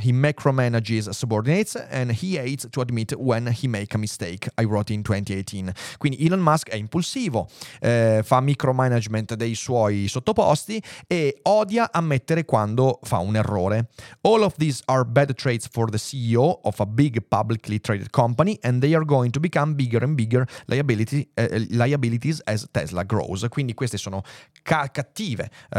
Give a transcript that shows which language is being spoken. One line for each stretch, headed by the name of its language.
English: He macromanages subordinates and he hates to admit when he makes a mistake, I wrote in 2018.
Italian: Quindi Elon Musk è impulsivo, fa micromanagement dei suoi sottoposti e odia ammettere quando fa un errore.
English: All of these are bad traits for the CEO of a big publicly traded company and they are going to become bigger and bigger liabilities as Tesla grows.
Italian: Quindi queste sono cattive